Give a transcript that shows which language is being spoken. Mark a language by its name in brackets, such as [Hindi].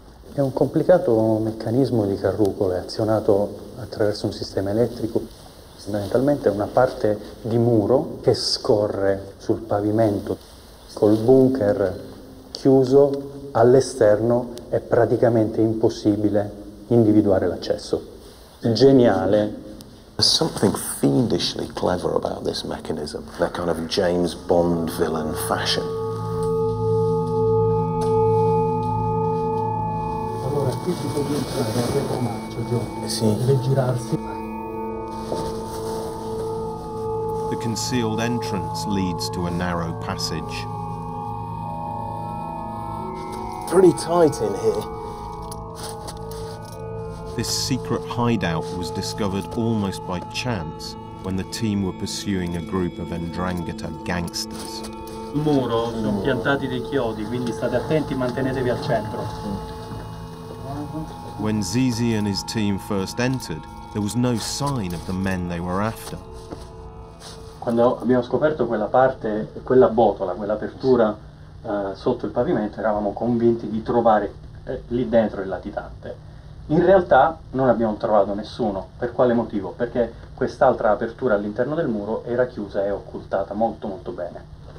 [Italian] È un complicato meccanismo di carrucole azionato attraverso un sistema elettrico. Fondamentalmente è una parte di muro che scorre sul pavimento. Col bunker chiuso all'esterno è praticamente impossibile individuare l'accesso. Geniale. [English] There's something fiendishly clever about this mechanism, that kind of James Bond villain fashion. The concealed entrance leads to a narrow passage. Pretty tight in here. This secret hideout was discovered almost by chance when the team were pursuing a group of Ndrangheta gangsters. [Italian] Muro, sono piantati dei chiodi, quindi state attenti, mantenetevi al centro. [English] When Zizi and his team first entered, there was no sign of the men they were after. [Italian] Quando abbiamo scoperto quella parte, quella botola, quell'apertura sotto il pavimento, eravamo convinti di trovare lì dentro il latitante. In realtà non abbiamo trovato nessuno. Per quale motivo? Perché quest'altra apertura all'interno del muro era chiusa e occultata molto molto bene.